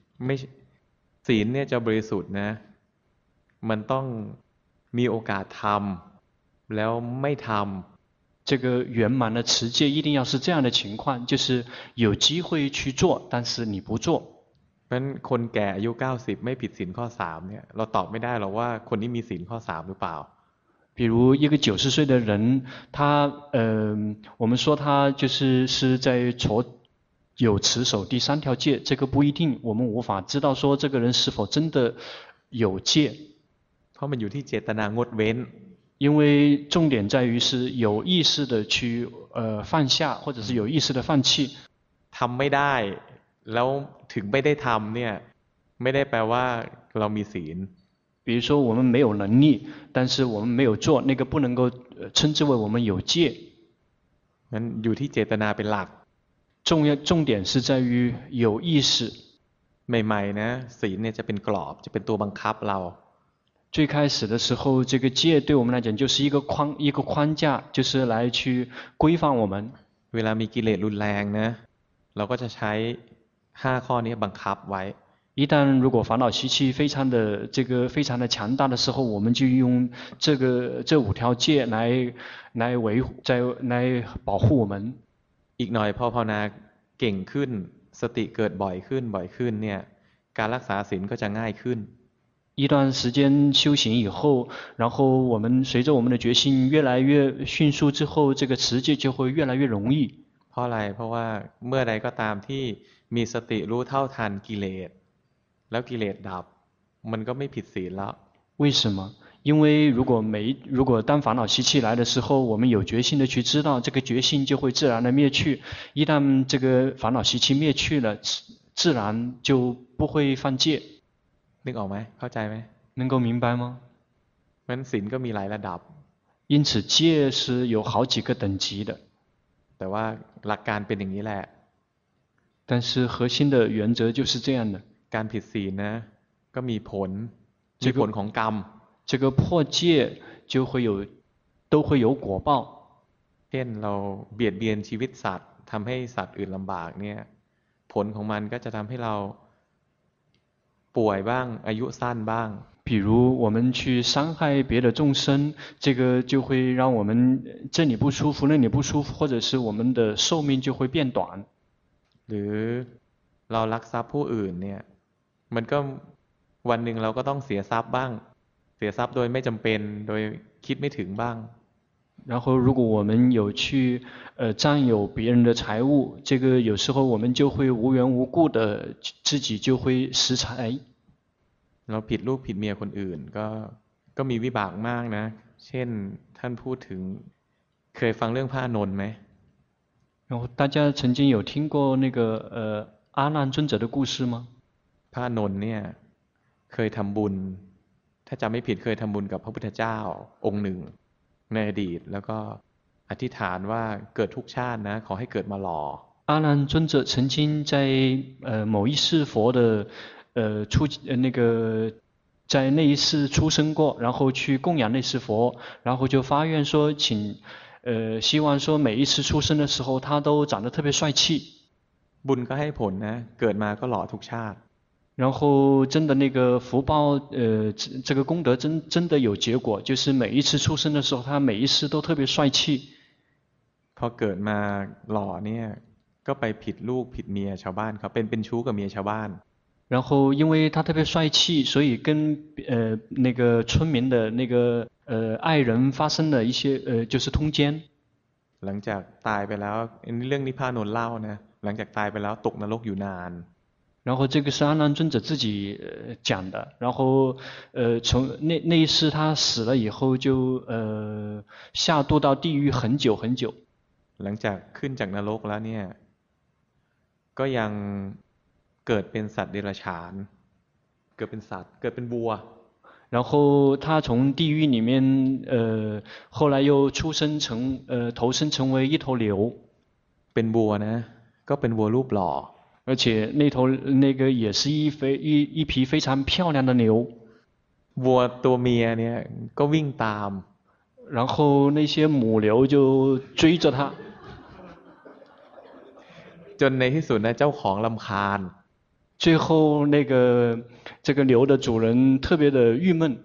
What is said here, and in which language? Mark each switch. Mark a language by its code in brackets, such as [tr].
[th] ไม่ศีลเนี่ยจะบริสุทธิ์นะมันต้องมีโอกาสทำแล้วไม่ทำ [zh] 这个圆满的持戒一定要是这样的情况，就是有机会去做，但是你不做。 [th] เป็นคนแก่อายุ90ไม่ผิดศีลข้อ3เนี่ยเราตอบไม่ได้หรอกว่าคนนี้มีศีลข้อ3หรือเปล่า [zh] 比如一个90岁的人他我们说他就是是在有持守第三条戒，这个不一定，我们无法知道说这个人是否真的有戒。 [th] เพราะมันอยู่ที่เจตนางดเว้น [zh] 因为重点在于是有意识的去放下或者是有意识的放弃 [th] ทำไม่ได้แล้วถึงไม่ได้ทำเนี่ยไม่ได้แปลว่าเรามีศีล [zh] 比如说我们没有能力但是我们没有做那个不能够称之为我们有戒 [th] มันอยู่ที่เจตนาเป็นหลัก [zh] 重点是在于有意识 [th] ใหม่ๆนะศีลเนี่ยจะเป็นกรอบจะเป็นตัวบังคับเรา [zh] 最开始的时候这个戒对我们来讲就是一个框架就是来去规范我们 [th] เวลามีกิเลสรุนแรงนะเราก็จะใช้5ข้อนี้บังคับไว้ [zh] 一旦如果烦恼习气非常的这个非常的强大的时候我们就用这五条戒来维在来保护我们 [th] อีกหน่อยพอภาวนาเก่งขึ้นสติเกิดบ่อยขึ้นเนี่ยการรักษาศีลก็จะง่ายขึ้น [zh] 一段时间修行以后，然后我们随着我们的决心越来越迅速之后，这个持戒就会越来越容易。 [th] เพราะอะไรเพราะว่าเมื่อใดก็ตามที่มีสติรู้เท่าทันกิเลสแล้วกิเลสดับมันก็ไม่ผิดศีลแล้ว [zh] 为什么？因为如果当烦恼习气来的时候，我们有决心的去知道，这个决心就会自然的灭去。一旦这个烦恼习气灭去了，自然就不会犯戒。 [th] นึกออกไหมเข้าใจไหม [zh] 能够明白吗 [th] มันศีลก็มีหลายระดับ [zh] 因此戒是有好几个等级的 [th] แต่ว่าหลักการเป็นอย่างนี้แหละ [zh] 但是核心的原则就是这样的 [th] การผิดศีลนะก็มีผลมีผลของกรรม [zh] 这个破戒就会有都会有果报 [th] เช่นเราเบียดเบียนชีวิตสัตว์ทำให้สัตว์อื่นลำบากเนี่ยผลของมันก็จะทำให้เราป่วยบ้างอายุสั้นบ้าง [zh] 比如我们去伤害别的众生这个就会让我们这里不舒服那里不舒服或者是我们的寿命就会变短 [th] หรือเรารักทรัพย์ผู้อื่นเนี่ยมันก็วันหนึ่งเราก็ต้องเสียทรัพย์บ้างเสียทรัพย์โดยไม่จำเป็นโดยคิดไม่ถึงบ้าง [zh] 然后如果我们有去占有别人的财物这个有时候我们就会无缘无故的自己就会失财 [th] เราผิดลูกผิดเมียคนอื่นก็มีวิบากมากนะ ช่นท่านพูดถึงเคยฟังเรื่องพระอานนท์ไ [zh] หม然后大家曾经有听过那个阿难尊者的故事吗 [th] พระอานนท์เนี่ยเคยทำบุญถ้าจำไม่ผิดเคยทำบุญกับพระพุทธเจ้าองค์หนึ่งในอดีตแล้วก็อธิษฐานว่าเกิดทุกชาตินะขอให้เกิดมาหล่อ [zh] 阿难尊者曾经在某一世佛的出那个在那一世出生过然后去供养那世佛然后就发愿说请希望说每一次出生的时候他都长得特别帅气 [th] บุญก็ให้ผลนะเกิดมาก็หล่อทุกชาติ [zh] 然后真的那个福报这个功德真的有结果就是每一次出生的时候他每一次都特别帅气 [th] พอเกิดมาหล่อเนี่ยก็ไปผิดลูกผิดเมียชาวบ้านเขาเป็นชู้กับเมียชาวบ้าน [zh] 然后因为他特别帅气所以跟那个村民的那个爱人发生了一些就是通奸 [th] หลังจากตายไปแล้วเรื่องนี้พระอานนท์เล่านะหลังจากตายไปแล้วตกนรกอยู่นาน [zh] 然后这个是阿难尊者自己讲的然后从那一世他死了以后就下堕到地狱很久很久 [th] หลังจากขึ้นจากนรกแล้วเนี่ยก็ยังเกิดเป็นสัตว์เดรัจฉานเกิดเป็นสัตว์เกิดเป็นวัว [zh] 然后他从地狱里面后来又出生成投生成为一头牛 [th] เป็นวัวนะก็เป็นวัวรูปหล่อ [zh] 而且那头那个也是一匹非常漂亮的牛 [th] วัวตัวเมียเนี่ยก็วิ่งตาม [zh] 然后那些母牛就追着他 [th] จนในที่สุดนะเจ้าของรำคาญ [zh] 最后那个这个牛的主人特别的郁闷